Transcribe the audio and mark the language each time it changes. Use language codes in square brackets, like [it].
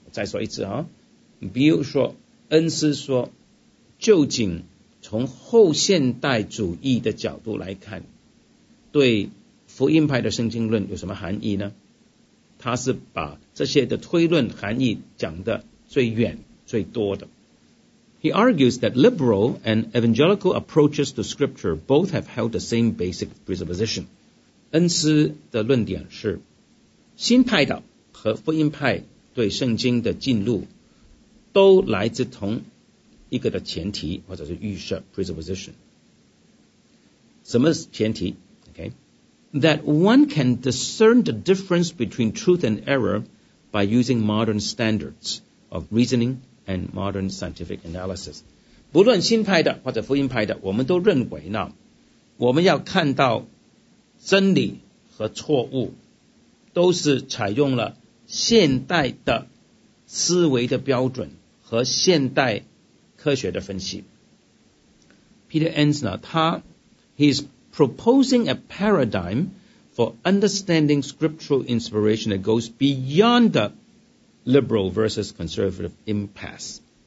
[zh] 再说一次啊，比如说恩斯说，究竟从后现代主义的角度来看，对福音派的圣经论有什么含义呢？他是把这些的推论含义讲得最远最多的。 [en] He argues that liberal and evangelical approaches to scripture both have held the same basic presupposition. [zh] 恩斯的论点是，新派的和福音派对圣经的进入都来自同一个的前提或者是预设 presupposition。什么前提 [en] ？Okay, that one can discern the difference between truth and error by using modern standards of reasoning and modern scientific analysis。 [zh] 不论新派的或者福音派的，我们都认为呢，我们要看到真理和错误，都是采用了现代的思维的标准和现代科学的分析。 Peter Enns 呢，他。 [en] He's proposing a paradigm for understanding scriptural inspiration that goes beyond the liberal versus conservative impasse.